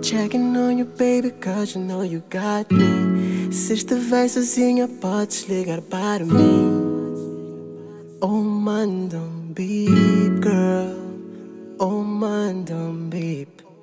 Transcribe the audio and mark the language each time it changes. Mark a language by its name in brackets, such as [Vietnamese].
[English] Checking on you, baby, cause you know you got me. [Portuguese] Se estiver sozinha, podes ligar para mim. [English] Oh, mind don't beep, girl. Oh, mind don't beep.